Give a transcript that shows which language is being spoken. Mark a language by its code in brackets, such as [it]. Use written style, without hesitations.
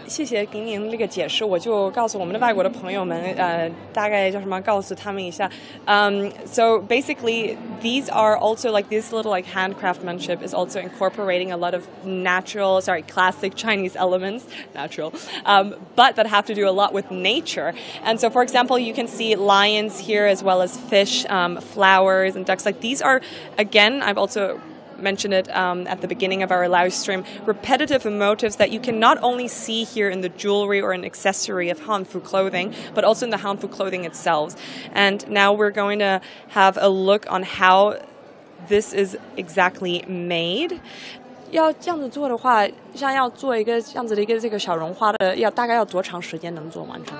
[zh] 谢谢给您那个解释，我就告诉我们的外国的朋友们，大概叫什么，告诉他们一下。 [en] So basically, these are also like this little like hand craftsmanship is also incorporating a lot of classic Chinese elements, natural, but that have to do a lot with nature. And so, for example, you can see lions here as well as fish, flowers, and ducks. Like these are, again, I've also. Mentioned it at the beginning of our live stream, repetitive motifs that you can not only see here in the jewelry or an accessory of Hanfu clothing, but also in the Hanfu clothing itself. And now we're going to have a look on how this is exactly made. [zh] 要这样子做的话，像要做一个这样子的一个这个小绒花的，要大概要多长时间能做完成？